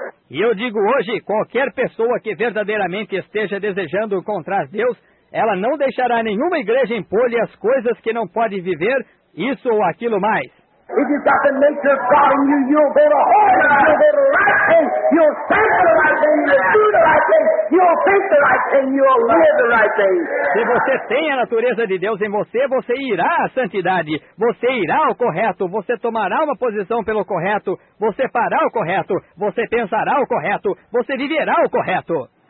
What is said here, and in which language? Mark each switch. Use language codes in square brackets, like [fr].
[pt] E eu digo hoje, qualquer pessoa que verdadeiramente esteja desejando encontrar Deus, ela não deixará nenhuma igreja impor-lhe as coisas que não pode viver, isso ou aquilo mais. [en] If you've got the nature of God in you, you'll go to hold it. You'll go to the right thing. You'll say the right thing. You'll do the right thing. You'll think the right thing. You'll live the right thing. [pt] Se você tem a natureza de Deus em você, você irá à santidade. Você irá ao correto. Você tomará uma posição pelo correto. Você fará o correto. Você pensará o correto. Você viverá o correto.